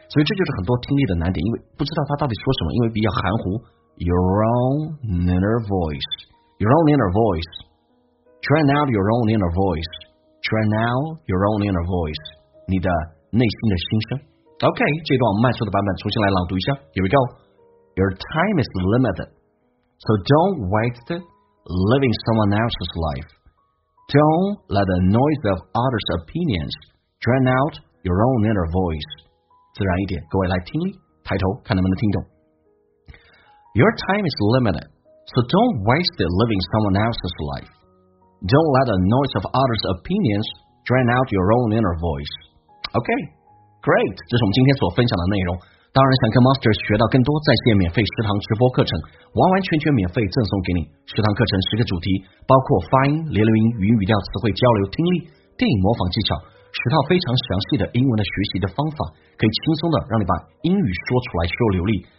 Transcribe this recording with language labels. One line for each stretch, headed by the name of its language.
Chinese: 所以这就是很多听力的难点，因为不知道他到底说什么，因为比较含糊。
English: your own inner voice， your own inner voice。 Drown out your own inner voice. Drown out your own inner voice.
Chinese: 你的内心的心声。 OK， 这段我们慢速的版本重新来朗读一下。
English: Here we go. Your time is limited, so don't waste living someone else's life. Don't let the noise of others' opinions drown out your own inner voice.
Chinese: 自然一点，各位来听力，抬头看能不能听懂。
English: Your time is limited, so don't waste living someone else's life. Don't let the noise of others' opinions drown out your own inner voice. OK, great.
Chinese: 这是我们今天所分享的内容。当然，想跟 Master 学到更多在线免费食堂直播课程，完完全全免费赠送给你。食堂课程十个主题，包括发音、连读音、语音语调、词汇交流、听力、电影模仿技巧，十套非常详细的英文的学习的方法，可以轻松的让你把英语说出来，说流利。